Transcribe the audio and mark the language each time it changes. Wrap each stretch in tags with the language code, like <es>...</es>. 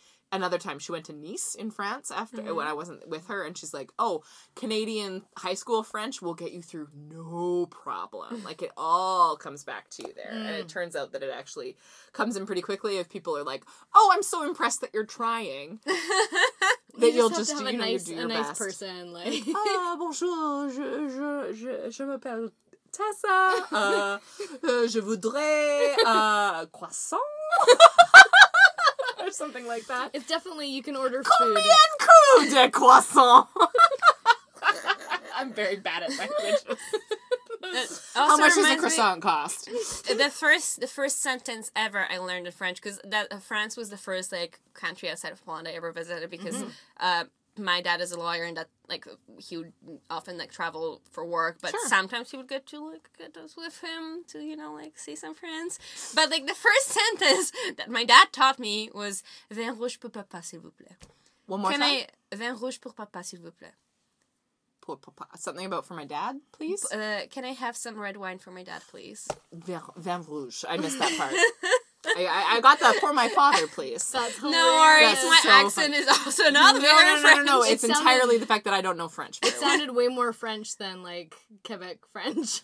<en>another time she went to Nice in France after when I wasn't with her, and she's like, oh, Canadian high school French will get you through no problem. Like, it all comes back to you there. And it turns out that it actually comes in pretty quickly if people are like, oh, I'm so impressed that you're trying. That you you'll just have a nice best. Person. Like,</en> <fr>ah, bonjour, je m'appelle Tessa. je voudrais croissant.</fr> <en>Or something like that. It's definitely, you can order food.</en> <fr>Combien en coup de croissant.</fr> <en>I'm very bad at languages. How much does a croissant cost? The first sentence ever I learned in French, because that France was the first, like, country outside of Poland I ever visited, because my dad is a lawyer, and that, like, he would often, like, travel for work, but sometimes he would get to, like, get us with him to, you know, like, see some friends. But, like, the first sentence that my dad taught me was,</en> <fr>vin rouge pour papa, s'il vous plaît.</fr> <en>One more time.</en> <fr>Vin rouge pour papa, s'il vous plaît. Pour papa.</fr> <en>Something about for my dad, please? Can I have some red wine for my dad, please?</en> <fr>Vin rouge.</fr> <en>I missed that part. I got that for my father, please. No worries. My accent is also not very French. No. It's entirely the fact that I don't know French. It sounded way more French than, like, Quebec French.</en>